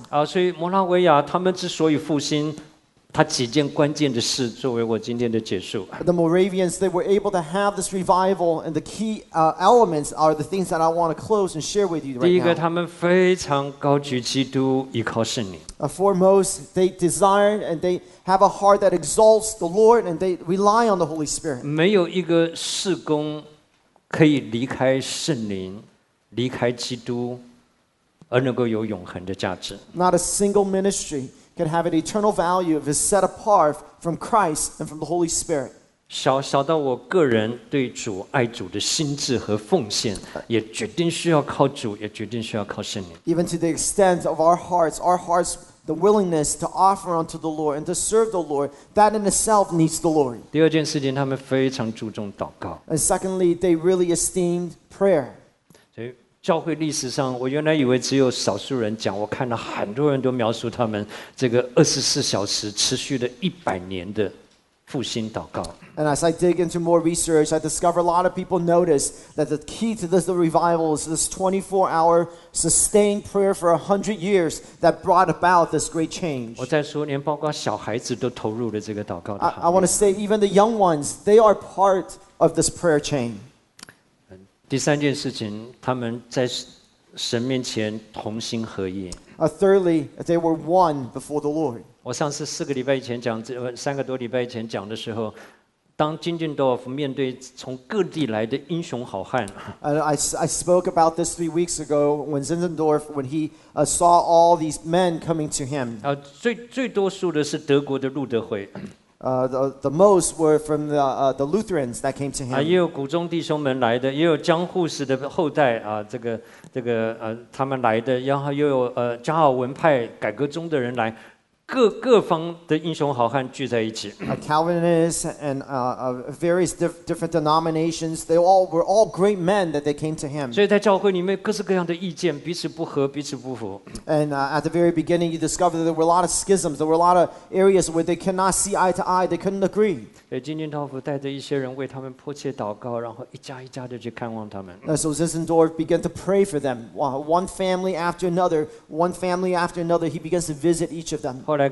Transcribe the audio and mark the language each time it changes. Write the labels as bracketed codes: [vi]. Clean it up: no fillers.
[zh] 啊，所以摩拉维亚他们之所以复兴，他几件关键的事作为我今天的结束。 [en] The Moravians, they were able to have this revival, and the key elements are the things that I want to close and share with you right now. [zh] 第一个，他们非常高举基督，依靠圣灵。 [en] Foremost, they desire and they have a heart that exalts the Lord and they rely on the Holy Spirit. [zh] 没有一个事工可以离开圣灵，离开基督，而能够有永恒的价值。 [en] Not a single ministry can have an eternal value if it's set apart from Christ and from the Holy Spirit. [zh] 小到我个人对主爱主的心智和奉献，也决定需要靠主，也决定需要靠圣灵。 [en] Even to the extent of our hearts, the willingness to offer unto the Lord and to serve the Lord, that in itself needs the Lord. [zh] 第二件事情，他们非常注重祷告。 [en] And secondly, they really esteemed prayer. [zh] 教会历史上，我原来以为只有少数人讲，我看了很多人都描述他们这个24小时持续的100年的复兴祷告。 [en] And as I dig into more research, I discover a lot of people notice that the key to this revival is this 24-hour sustained prayer for 100 years that brought about this great change. [zh] 我在说，连包括小孩子都投入了这个祷告的行列。 [en] I want to say even the young ones, they are part of this prayer chain. [zh] 第三件事情，他们在神面前同心合意。 [en] Thirdly, they were one before the Lord. [zh] 我上次四个礼拜以前讲，三个多礼拜以前讲的时候，当金俊道夫面对从各地来的英雄好汉。 [en] I spoke about this 3 weeks ago when Zinzendorf, when he saw all these men coming to him. [zh] 最多数的是德国的路德会。 [en] The most were from the Lutherans that came to him. [zh] 也有古中弟兄们来的，也有江户氏的后代啊，这个他们来的，然后又有加尔文派改革中的人来，各方的英雄好汉聚在一起。 [en] A Calvinist and various different denominations, they all were all great men that they came to him. [zh] 所以在教会里面各式各样的意见，彼此不和，彼此不服。 [en] And at the very beginning, you discover that there were a lot of schisms, there were a lot of areas where they cannot see eye to eye, they couldn't agree. [zh] 金俊道夫带着一些人为他们迫切祷告，然后一家一家的去看望他们。 [en] So Zinzendorf began to pray for them, one family after another, he begins to visit each of them.